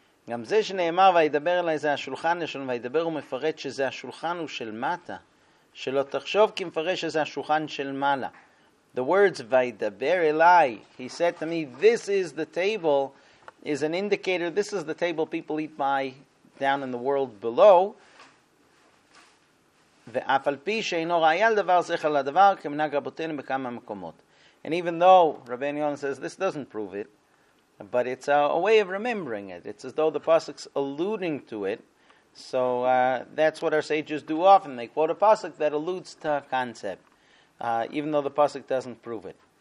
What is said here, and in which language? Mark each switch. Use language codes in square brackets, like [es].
[he] גם זה שנאמר וידבר אליי זה השולחן לשון וידבר ומפרט שזה השולחן הוא של מטה שלא תחשוב כי מפרט שזה השולחן של מעלה. [en] The words [he] וידבר אליי, [en] he said to me, this is the table, is an indicator, this is the table people eat by down in the world below. [he] ואף על פי שאינו ראייה לדבר זכר לדבר כמנהג רבותינו בכמה מקומות. [en] And even though Rabbi Yonah says this doesn't prove it, but it's a way of remembering it. It's as though the pasuk's alluding to it. So that's what our sages do often. They quote a pasuk that alludes to a concept, even though the pasuk doesn't prove it.